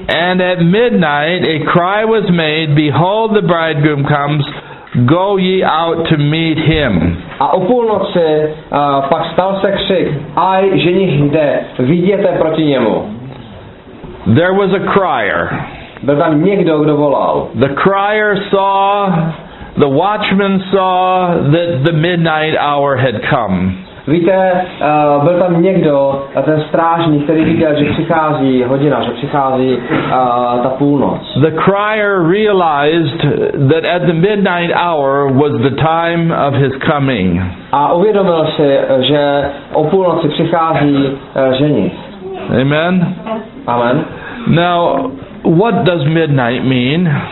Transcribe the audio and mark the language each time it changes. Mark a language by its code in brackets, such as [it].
[en] And at midnight a cry was made, behold the bridegroom comes, go ye out to meet him. [cs] A o půlnoci pak stal se křik, aj ženich jde, vyjděte proti němu. [en] There was a crier. [cs] Byl tam někdo, kdo volal. [en] The crier saw the watchman saw that the midnight hour had come. [cs] Víte, byl tam někdo, ten strážník, který viděl, že přichází hodina, že přichází ta půlnoc. [en] The crier realized that at the midnight hour was the time of his coming. [cs] A uvědomil si, že o půlnoci přichází ženich. [en] Amen. [cs] Amen. [en] Now, what does midnight mean?